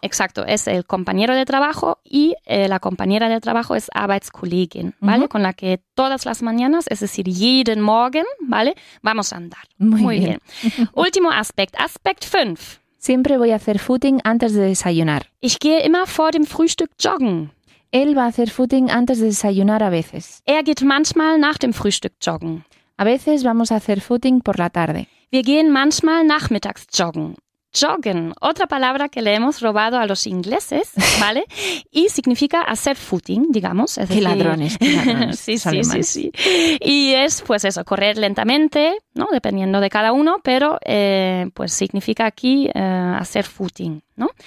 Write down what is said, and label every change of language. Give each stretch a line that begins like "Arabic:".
Spanish: Exacto. Es el compañero de trabajo y la compañera de trabajo es Arbeitskollegin, ¿vale? Uh-huh. Con la que todas las mañanas, es decir, jeden Morgen, ¿vale? Vamos a andar. Muy bien. Último aspecto. Aspect 5. Siempre voy a hacer footing antes de desayunar.
German: Ich gehe immer vor dem Frühstück joggen.
Spanish: Él va a hacer footing antes de desayunar a veces.
German: Er geht manchmal nach dem Frühstück joggen.
Spanish: A veces vamos a hacer footing por la tarde.
German: Wir gehen manchmal nachmittags joggen.
Spanish: Joggen, otra palabra que le hemos robado a los ingleses, ¿vale? Y significa hacer footing, digamos. Es decir, ladrones. Sí. Y es, pues eso, correr lentamente, ¿no? Dependiendo de cada uno, pero pues significa aquí hacer footing, ¿no?